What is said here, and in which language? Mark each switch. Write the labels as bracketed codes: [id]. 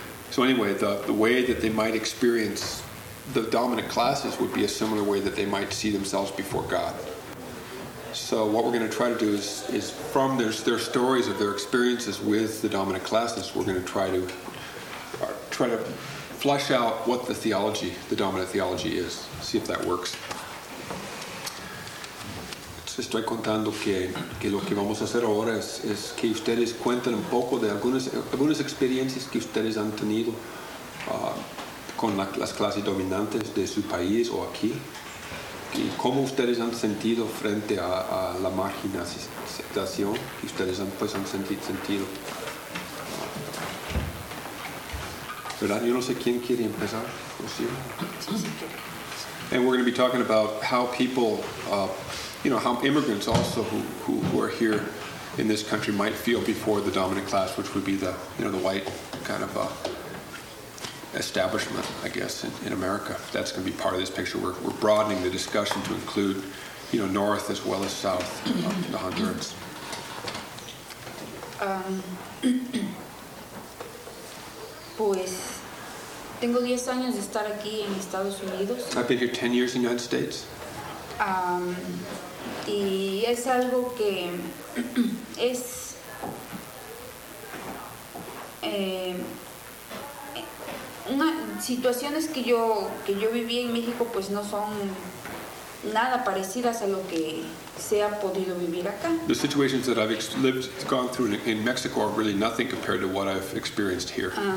[en] So anyway, the way that they might experience the dominant classes would be a similar way that they might see themselves before God. So what we're going to try to do is from their stories of their experiences with the dominant classes, we're going to try to flesh out what the dominant theology is, see if that works. [es] Estoy contando que lo que vamos a hacer ahora es que ustedes cuenten un poco de algunas experiencias que ustedes han tenido con las clases dominantes de su país o aquí, y cómo ustedes han sentido frente a la marginación que ustedes han sentido. ¿Verdad? Yo no sé quién quiere empezar. [en] And we're going to be talking about how people, you know, how immigrants also who are here in this country might feel before the dominant class, which would be the, you know, the white kind of establishment, I guess, in America. That's going to be part of this picture. We're broadening the discussion to include, you know, North as well as South, the Hondurans. [es] Pues, tengo 10 años de estar aquí en Estados Unidos. [en] I've been here 10 years in the United States. [es] Y es algo que es una situaciones que yo viví en México, pues no son nada parecidas a lo que se ha podido vivir acá. [en] The situations that I've gone through in Mexico are really nothing compared to what I've experienced here.